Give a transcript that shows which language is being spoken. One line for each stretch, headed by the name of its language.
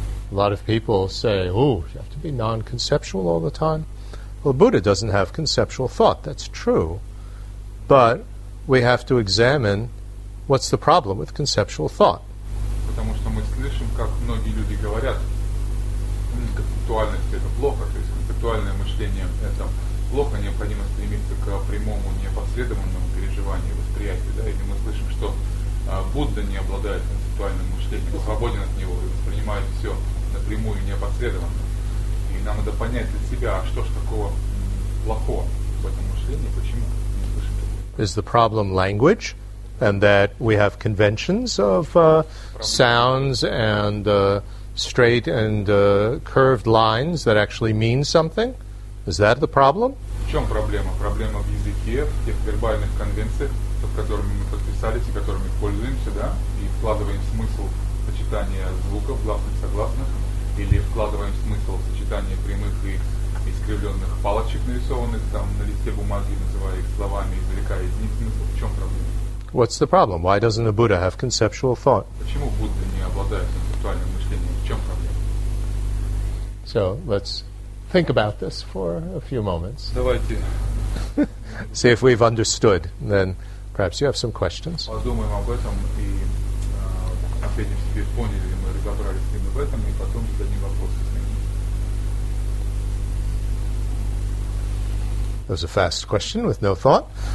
English: A lot of people say, oh, you have to be non-conceptual all the time. Well, Buddha doesn't have conceptual thought. That's true. But we have to examine what's the problem with conceptual thought.
Russian: Потому что мы слышим, как многие люди говорят, концептуальность — это плохо, то есть концептуальное мышление — это плохо, необходимо стремиться к прямому, непосредственному переживанию, восприятию, да, или мы слышим, что Будда не обладает концептуальным мышлением, свободен от него и воспринимает все напрямую, непосредственно. И нам надо понять для себя, что ж такого плохого в этом мышлении, почему мы слышим такое.
English: Is the problem language? And that we have conventions of sounds and straight and curved lines that actually mean something? Is that the problem?
Russian: В чём проблема? Проблема в языке, в тех вербальных конвенциях, под которыми мы подписались и которыми пользуемся, да, и вкладываем смысл в сочетание звуков, гласных, согласных, или вкладываем смысл в сочетание прямых и искривленных палочек, нарисованных там на листе бумаги, называя их словами, извлекая из них смысл. В чём проблема?
English: What's the problem? Why doesn't a Buddha have conceptual thought?
Russian: Почему Будда не обладает концептуальным мышлением? В чём проблема?
English: So, let's think about this for a few moments.
Russian: Давайте.
English: See if we've understood, then perhaps you have some questions.
Russian: Подумаем об этом и ответим себе, поняли ли мы, разобрались ли мы в этом, и потом зададим вопросы.
English: That was a fast question with no thought.